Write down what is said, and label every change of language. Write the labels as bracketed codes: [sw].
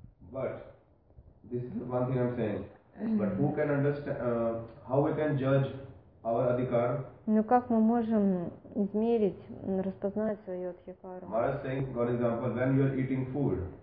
[en] But this is one thing I'm saying. But who can understand? How we can judge our adhikar? [ru] Но как мы можем измерить, распознать свою адхикару? [en] Maharaj saying, for example, when you are eating food,